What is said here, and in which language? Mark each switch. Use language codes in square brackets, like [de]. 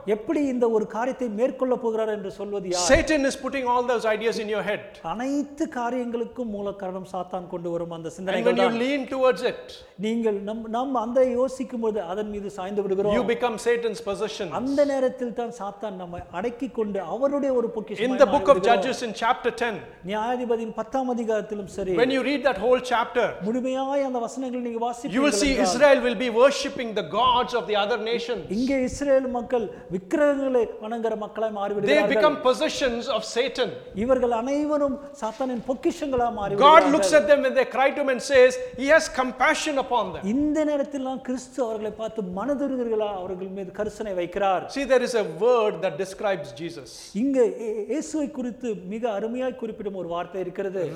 [ta] எப்படி இந்த ஒரு காரியத்தை மேற்கொள்ள போகிறார் என்று சொல்வது யார்? [en] Satan is putting all those ideas in your head. [ta] அனைத்து காரியங்களுக்கும் மூல காரணம் சாத்தான் கொண்டு வரும் அந்த சிந்தனைகள். [en] And when you lean towards it, [ta] நீங்கள் நம்ம அந்த யோசிக்கும் போது அதன் மீது சாய்ந்து விடுகிறோம். [en] You become Satan's possession. [ta] அந்த நேரத்தில் தான் சாத்தான் நம்மை அடக்கி கொண்டு அவருடைய ஒரு பொக்கிஷமாய் மாறுகிறோம். [en] In the book of Judges in chapter 10, [ta] நியாயாதிபதியின் 10 அதிகாரத்திலும் சரி, [en] When you read that whole chapter, [ta] முழுமையாய் அந்த வசனங்களை நீங்க வாசிப்பீங்க. [en] You will see Israel will be worshipping the gods of the other nations. [ta] இங்கே இஸ்ரவேல் மக்கள் விக்கிரகங்களை வணங்குற மக்களாய் மாறிவிடுவார்கள். [en] They become possessions of Satan. [ta] இவர்கள் அனைவரும் சாத்தானின் பொக்கிஷங்களாய் மாறிவிடுவார்கள். [en] God looks at them when they cry to him and says, "He has compassion upon them." [ta] இந்த நேரத்தில் தான் கிறிஸ்து அவர்களை பார்த்து மனதுருகிறவர்களாய் அவர்கள் மீது கரிசனை வைக்கிறார். [en] See, there is a word that describes Jesus. [ta] இங்கே இயேசுவை குறித்து மிக அருமையாய் குறிப்பிடும் ஒரு வார்த்தை இருக்கிறது.